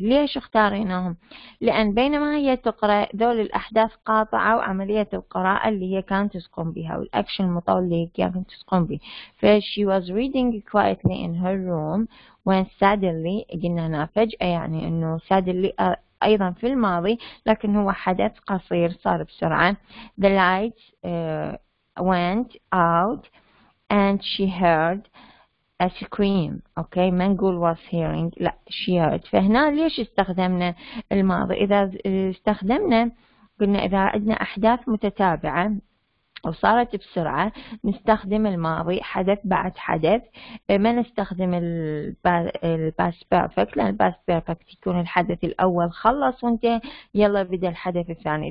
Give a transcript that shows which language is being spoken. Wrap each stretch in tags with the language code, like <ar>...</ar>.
<ar>ليش اختاريناهم؟ لأن بينما هي تقرأ ذول الأحداث قاطعة وعملية القراءة اللي هي كانت تقوم بها والأكشن المطول اللي هي كانت تقوم به. ف</ar> <en>she was reading quietly in her room when suddenly</en> <ar>قلنا هنا فجأة يعني إنه suddenly أيضا في الماضي لكن هو حدث قصير صار بسرعة.</ar> <en>The lights went out and she heard a scream. Okay,</en> <ar>ما نقول</ar> <en>was hearing.</en> <ar>لا</ar> <en>she heard.</en> <ar>فهنا ليش استخدمنا الماضي؟ إذا استخدمنا قلنا إذا عندنا أحداث متتابعة وصارت بسرعة، نستخدم الماضي حدث بعد حدث، ما نستخدم الباست بيرفكت، لأن الباست بيرفكت يكون الحدث الأول خلص وانتهى، يلا بدأ الحدث الثاني.</ar>